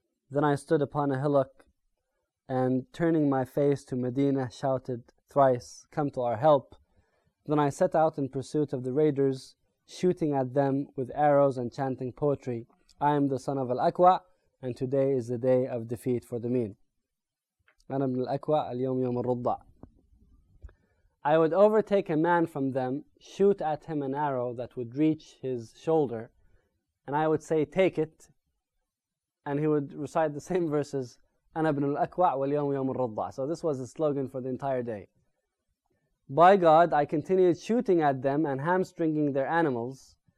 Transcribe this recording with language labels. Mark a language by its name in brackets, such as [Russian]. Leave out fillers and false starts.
[English] Then I stood upon a hillock and, turning my face to Medina, shouted thrice, come to our help. Then I set out in pursuit of the raiders, shooting at them with arrows and chanting poetry. I am the son of Al-Aqwa, and today is the day of defeat for the mean. [Arabic] أنا من الأكوى اليوم يوم الرضع. [English] I would overtake a man from them, shoot at him an arrow that would reach his shoulder, and I would say, take it, and he would recite the same verses, [Arabic] أنا من الأكوى واليوم يوم الرضع. [English] So this was the slogan for the entire day. By God, I continued shooting at them and hamstringing their animals.